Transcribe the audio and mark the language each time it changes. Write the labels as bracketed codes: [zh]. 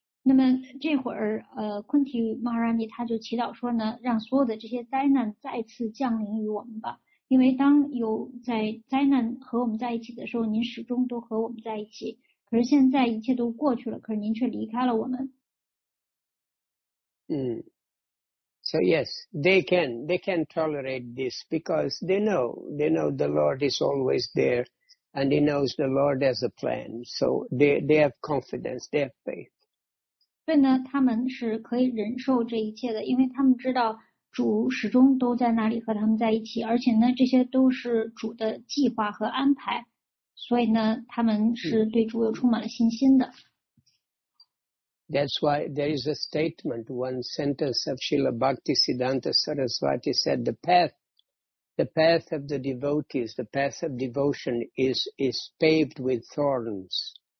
[zh] 那么这会儿Kunti Maharani 他就祈祷说呢，让所有的这些灾难再次降临于我们吧，因为当有在灾难和我们在一起的时候，您始终都和我们在一起，可是现在一切都过去了，可是您却离开了我们。 [en] So yes, they can tolerate this because they know the Lord is always there and he knows the Lord has a plan. So they have confidence, they have faith. [zh] 所以呢，他们是可以忍受这一切的，因为他们知道主始终都在那里和他们在一起，而且呢，这些都是主的计划和安排。所以呢，他们是对主有充满了信心的。 [en] That's why there is a statement, one sentence of Srila Bhakti Siddhanta Saraswati said, the path of the devotees, the path of devotion is paved with thorns.